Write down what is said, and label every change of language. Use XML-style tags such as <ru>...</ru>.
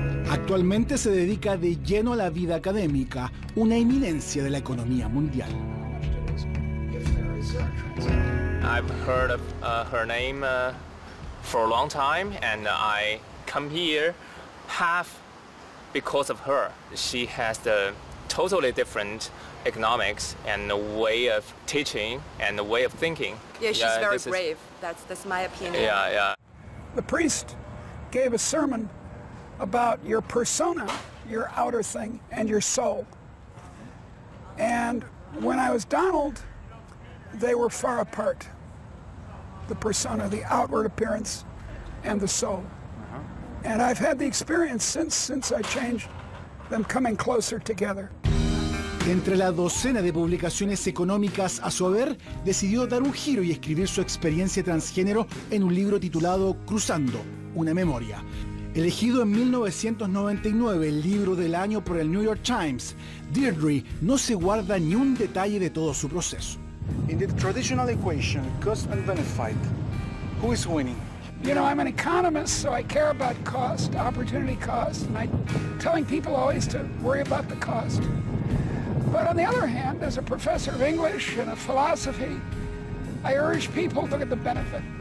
<es>Actualmente se dedica de lleno a la vida académica, una eminencia de la economía mundial.</es> <en>I've heard of her name for a long time, and I come here half because of her. She has the totally different economics and the way of teaching and the way of thinking. Yeah, she's very brave. That's my opinion. Yeah, yeah. The priest gave a sermon about your persona, your outer thing, and your soul. And when I was Donald, they were far apart. The persona, the outward appearance, and the soul. And I've had the experience since I changed them coming closer together.</en> <es>Entre la docena de publicaciones económicas a su haber, decidió dar un giro y escribir su experiencia transgénero en un libro titulado Cruzando, una memoria. Elegido en 1999 el libro del año por el New York Times, Deirdre no se guarda ni un detalle de todo su proceso.</es> <en>In the traditional equation, cost and benefit, who is winning? You know, I'm an economist, so I care about cost, opportunity cost, and I'm telling people always to worry about the cost. But on the other hand, as a professor of English and a philosophy, I urge people to look at the benefit.</en>